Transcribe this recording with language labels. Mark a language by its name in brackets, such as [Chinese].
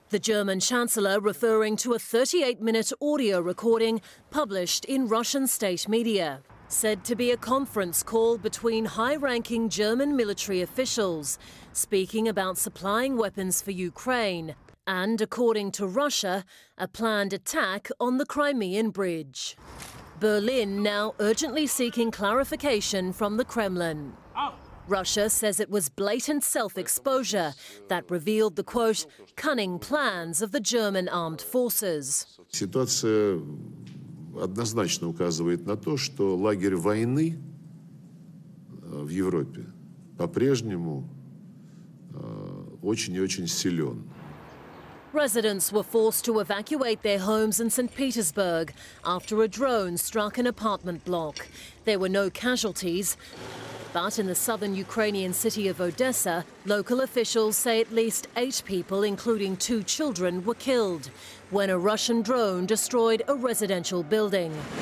[English] The German Chancellor referring to a 38-minute audio recording published in Russian state media, said to be a conference call between high-ranking German military officials speaking about supplying weapons for Ukraine and, according to Russia, a planned attack on the Crimean Bridge. Berlin now urgently seeking clarification from the Kremlin. Russia says it was blatant self-exposure that revealed the, quote, cunning plans of the German armed forces. [Russian] Ситуация однозначно указывает на то, что лагерь войны в Европе по-прежнему очень и очень силен. [English] Residents were forced to evacuate their homes in St. Petersburg after a drone struck an apartment block. There were no casualties. But in the southern Ukrainian city of Odessa, local officials say at least 8 people, including 2 children, were killed when a Russian drone destroyed a residential building.